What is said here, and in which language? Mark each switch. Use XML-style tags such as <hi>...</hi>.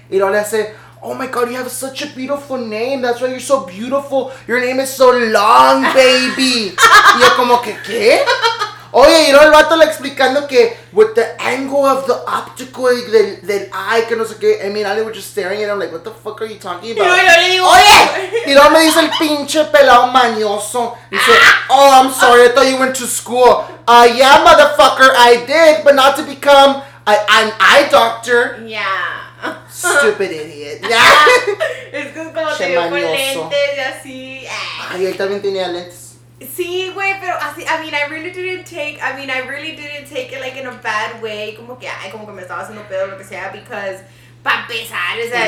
<en>Y Ali said, oh my God, you have such a beautiful name. That's why you're so beautiful. Your name is so long, baby. Y yo como que, ¿qué?</en> <es>Oye, y el vato le explicando que with the angle of the optical del eye, que no sé qué.</es> <en>I mean, Ali was just staring at him like, what the fuck are you talking about?</en> <es>Y luego le digo, ¡oye! Y luego me dice el pinche pelado mañoso.</es> <en>Dice, oh, I'm sorry, I thought you went to school. Yeah, motherfucker, I did, but not to become an eye doctor. Yeah. Stupid idiot.</en> <es>Es que es como te dio con lentes y así. Ay, él también tenía lentes. Sí, güey, pero así, I really didn't take it, like, in a bad way, como que, ay, como que me estaba haciendo pedo, lo que sea, because, pa' pesar, o sea.</es>